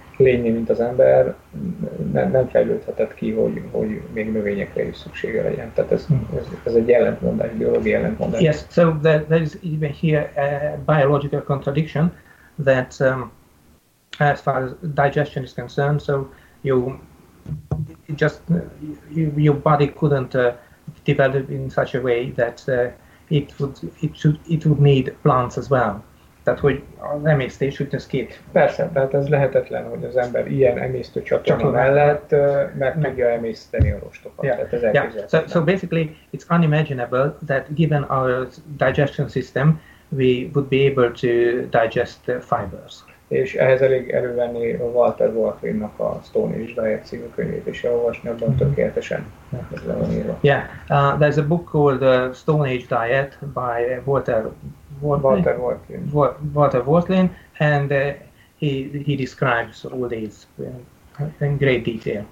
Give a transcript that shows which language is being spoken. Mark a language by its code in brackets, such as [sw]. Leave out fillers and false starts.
[hu] lényé, mint az ember, nem fejlődhetett ki, hogy még növényekre is szüksége legyen. Tehát ez egy ellentmondás, biológiai ellentmondás. [en] Yes, so there is even here a biological contradiction that as far as digestion is concerned, so your body couldn't develop in such a way that it would need plants as well. [hu] Tehát, hogy az emésztés úgy néz ki. Persze, tehát ez lehetetlen, hogy az ember ilyen emésztő csatorna mellett meg tudja emészteni a rostokat. [en] So basically, it's unimaginable that given our digestion system, we would be able to digest fibers. [hu] És ehhez elég elővenni Walter Warfield-nak a Stone Age Diet című könyvét, és elolvasni abban tökéletesen. [en] Yeah, there's a book called Stone Age Diet by Walter Wortlin, and he describes all these in great detail.